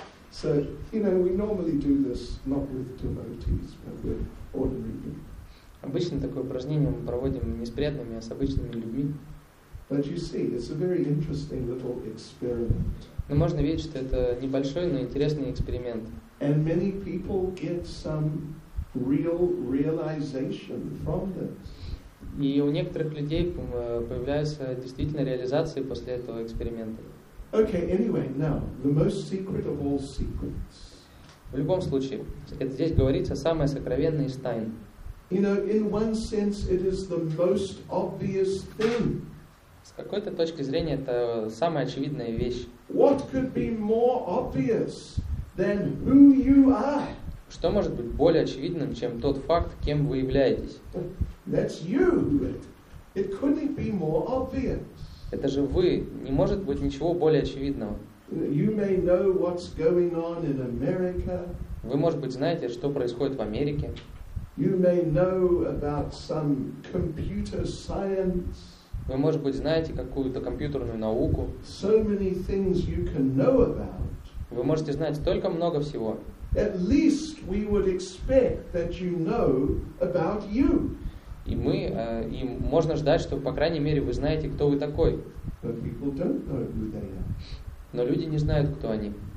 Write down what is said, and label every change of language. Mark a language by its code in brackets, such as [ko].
[en] So, you know, we normally do this not with devotees, but with ordinary people. [ru] Обычно такое упражнение мы проводим не с приятными, а с обычными людьми. [en] But you see, it's a very interesting little experiment. [ru] Но можно видеть, что это небольшой, но интересный эксперимент. [en] And many people get some real realization from this. [ru] И у некоторых людей появляется действительно реализация после этого эксперимента. [en] Okay, anyway, now, the most secret of all secrets. [ru] В любом случае, это здесь говорится самое сокровенное из тайн. [en] You know, in one sense, it is the most obvious thing. [ru] С какой-то точки зрения, это самая очевидная вещь. [en] What could be more obvious than who you are? [ru] Что может быть более очевидным, чем тот факт, кем вы являетесь? [en] That's you. It couldn't be more obvious. [ru] Это же вы. Не может быть ничего более очевидного. [en] You may know what's going on in America. [ru] Вы, может быть, знаете, что происходит в Америке. [en] You may know about some computer science. [ru] Вы, может быть, знаете какую-то компьютерную науку. [en] So many things you can know about. [ru] Вы можете знать столько много всего. [en] At least we would expect that you know about you. [ru] И мы, и можно ждать, что, по крайней мере, вы знаете, кто вы такой. Но люди не знают, кто они.